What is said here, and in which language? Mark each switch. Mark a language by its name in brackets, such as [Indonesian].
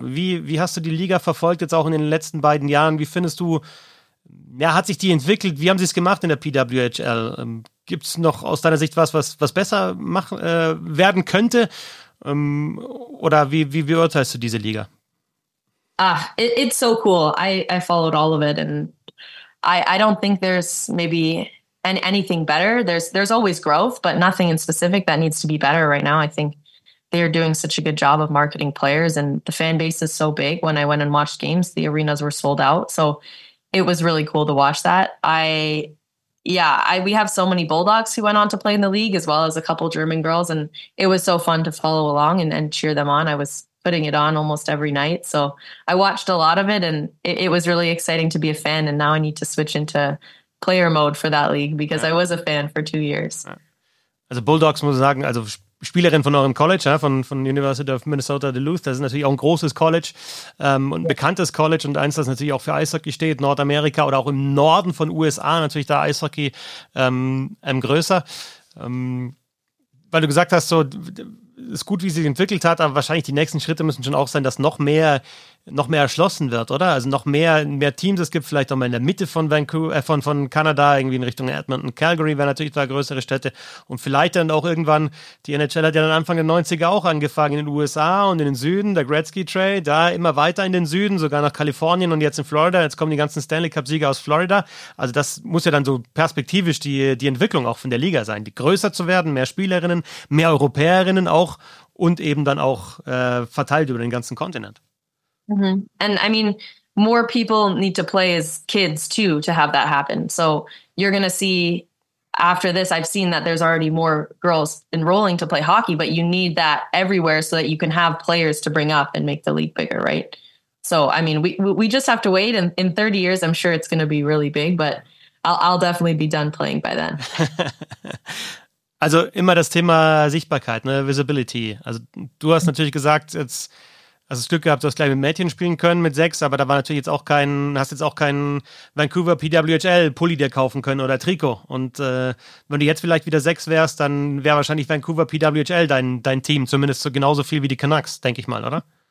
[German] Wie hast du die Liga verfolgt jetzt auch in den letzten beiden Jahren? Wie findest du, hat sich die entwickelt? Wie haben sie es gemacht in der PWHL? Gibt's noch aus deiner Sicht was besser machen werden könnte? Oder wie beurteilst du diese Liga? [English] Ah, it's so cool. I followed all of it, and I don't think there's maybe anything better. There's always growth, but nothing in specific that needs to be better right now. I think they're doing such a good job of marketing players, and the fan base is so big. When I went and watched games, the arenas were sold out, so it was really cool to watch that. We have so many Bulldogs who went on to play in the league, as well as a couple German girls, and it was so fun to follow along and cheer them on. I was putting it on almost every night. So I watched a lot of it and it was really exciting to be a fan. And now I need to switch into player mode for that league because I was a fan for 2 years. [German] Also Bulldogs, muss ich sagen, also Spielerin von eurem College, von University of Minnesota Duluth, das ist natürlich auch ein großes College und ein bekanntes College und eins, das natürlich auch für Eishockey steht, Nordamerika oder auch im Norden von USA natürlich da Eishockey größer. Weil du gesagt hast, so ist gut, wie sie sich entwickelt hat, aber wahrscheinlich die nächsten Schritte müssen schon auch sein, dass noch mehr erschlossen wird, oder? Also noch mehr Teams. Es gibt vielleicht auch mal in der Mitte von Vancouver, von Kanada, irgendwie in Richtung Edmonton, Calgary, wären natürlich da größere Städte. Und vielleicht dann auch irgendwann, die NHL hat ja dann Anfang der 90er auch angefangen in den USA und in den Süden, der Gretzky Trade, da immer weiter in den Süden, sogar nach Kalifornien und jetzt in Florida. Jetzt kommen die ganzen Stanley Cup-Sieger aus Florida. Also das muss ja dann so perspektivisch die Entwicklung auch von der Liga sein, die größer zu werden, mehr Spielerinnen, mehr Europäerinnen auch und eben dann auch verteilt über den ganzen Kontinent. Mm-hmm. [English] And I mean, more people need to play as kids too to have that happen. So you're going to see after this, I've seen that there's already more girls enrolling to play hockey, but you need that everywhere so that you can have players to bring up and make the league bigger, right? So, I mean, we just have to wait. And in 30 years, I'm sure it's going to be really big, but I'll definitely be done playing by then. [German] Also immer das Thema Sichtbarkeit, ne? Visibility. Also du hast natürlich gesagt, jetzt Also das Glück gehabt, du hast gleich mit Mädchen spielen können mit 6, aber da war natürlich jetzt auch kein, hast jetzt auch keinen Vancouver PWHL Pulli dir kaufen können oder Trikot. Und wenn du jetzt vielleicht wieder 6 wärst, dann wäre wahrscheinlich Vancouver PWHL dein Team, zumindest so genauso viel wie die Canucks, denke ich mal, oder?